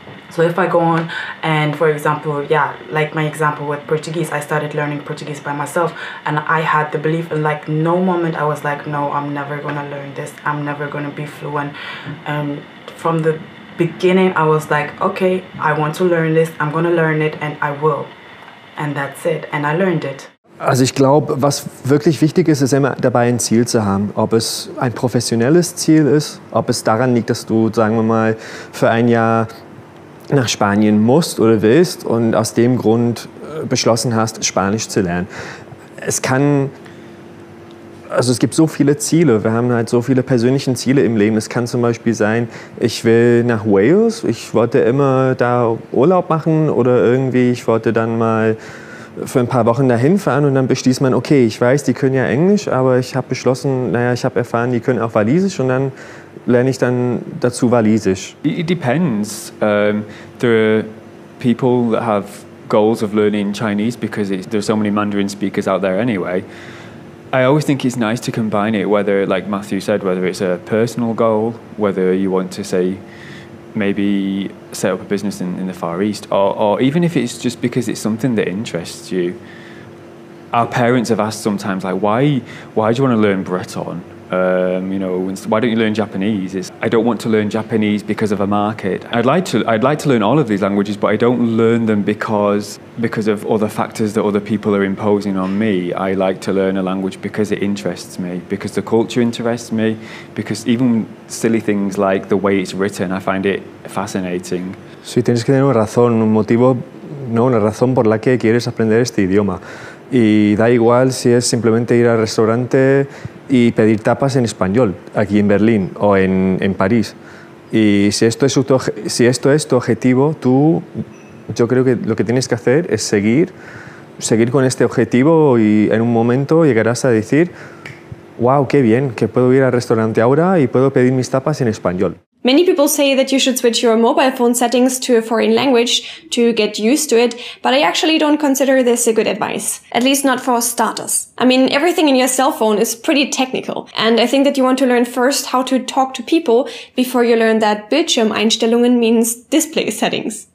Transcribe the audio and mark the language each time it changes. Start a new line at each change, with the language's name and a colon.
English: So if I go on and, for example, yeah, like my example with Portuguese, I started learning Portuguese by myself, and I had the belief in like no moment I was like, no, I'm never gonna learn this, I'm never gonna be fluent. And from the beginning I was like, okay, I want to learn this, I'm gonna learn it, and I will, and that's it, and I learned it.
German: Also ich glaube, was wirklich wichtig ist, ist immer dabei ein Ziel zu haben. Ob es ein professionelles Ziel ist, ob es daran liegt, dass du, sagen wir mal, für ein Jahr nach Spanien musst oder willst und aus dem Grund beschlossen hast, Spanisch zu lernen. Es kann, also es gibt so viele Ziele, wir haben halt so viele persönliche Ziele im Leben. Es kann zum Beispiel sein, ich will nach Wales, ich wollte immer da Urlaub machen oder irgendwie, ich wollte dann mal für ein paar Wochen dahin fahren und dann beschließt man, okay, ich weiß, die können ja Englisch, aber ich habe beschlossen, naja, ich habe erfahren, die können auch Walisisch und dann lerne ich dann dazu Walisisch.
English: It depends. There are people that have goals of learning Chinese because there's so many Mandarin speakers out there anyway. I always think it's nice to combine it, whether, like Matthew said, whether it's a personal goal, whether you want to say maybe set up a business in the Far East, or even if it's just because it's something that interests you. Our parents have asked sometimes, like, why do you want to learn Breton? You know, why don't you learn Japanese? I don't want to learn Japanese because of a market. I'd like to learn all of these languages, but I don't learn them because of other factors that other people are imposing on me. I like to learn a language because it interests me, because the culture interests me, because even silly things like the way it's written, I find it fascinating.
Spanish: Sí, tienes que tener una razón, un motivo, no, una razón por la que quieres aprender este idioma. Y da igual si es simplemente ir al restaurante y pedir tapas en español, aquí en Berlín o en París. Y si esto es tu objetivo, tú, yo creo que lo que tienes que hacer es seguir con este objetivo y en un momento llegarás a decir, wow, qué bien, que puedo ir al restaurante ahora y puedo pedir mis tapas en español.
English: Many people say that you should switch your mobile phone settings to a foreign language to get used to it, but I actually don't consider this a good advice. At least not for starters. I mean, everything in your cell phone is pretty technical, and I think that you want to learn first how to talk to people before you learn that Bildschirmeinstellungen means display settings.